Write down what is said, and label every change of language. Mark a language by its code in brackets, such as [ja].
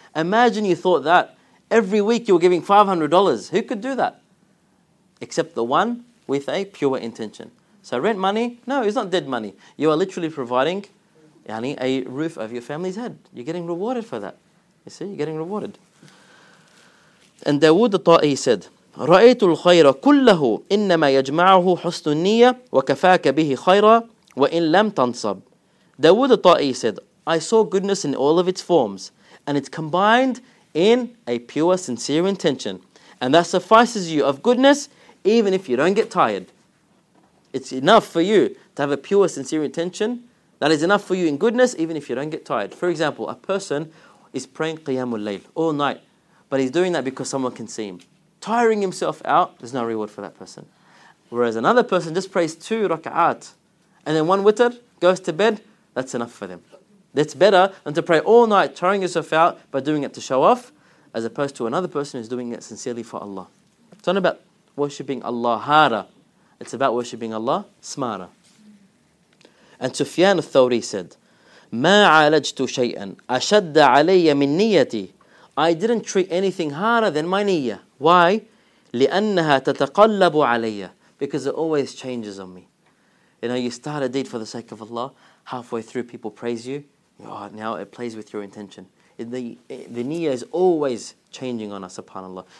[en] Imagine you thought that. Every week you were giving $500. Who could do that? Except the one with a pure intention. So rent money, no, it's not dead money. You are literally providing yani, a roof over your family's head. You're getting rewarded for that. You see, you're getting rewarded. And Dawood al-Ta'i said, [ar] رأيت الخير كله إنما يجمعه حسن النية وكفاك به خيرا وإن لم تنصب. داود الطائي [en] said, I saw goodness in all of its forms and it's combined in a pure sincere intention and that suffices you of goodness even if you don't get tired. It's enough for you to have a pure sincere intention. That is enough for you in goodness even if you don't get tired. For example, a person is praying Qiyamul Layl all night, but he's doing that because someone can see him. Tiring himself out, there's no reward for that person. Whereas another person just prays two raka'at, and then one witr, goes to bed, that's enough for them. That's better than to pray all night, tiring yourself out, but doing it to show off, as opposed to another person who's doing it sincerely for Allah. It's not about worshipping Allah harder, it's about worshipping Allah smarter. And Sufyan al-Thawri said, [ar] مَا عَلَجْتُ شَيْئًا أَشَدَّ عَلَيَّ مِن نِيَّتِي. [en] I didn't treat anything harder than my niyyah. Why? [ar] لِأَنَّهَا تَتَقَلَّبُ عَلَيَّ. [en] Because it always changes on me. You know, you start a deed for the sake of Allah, halfway through people praise you, oh, now it plays with your intention. The niyyah is always changing on us, subhanAllah.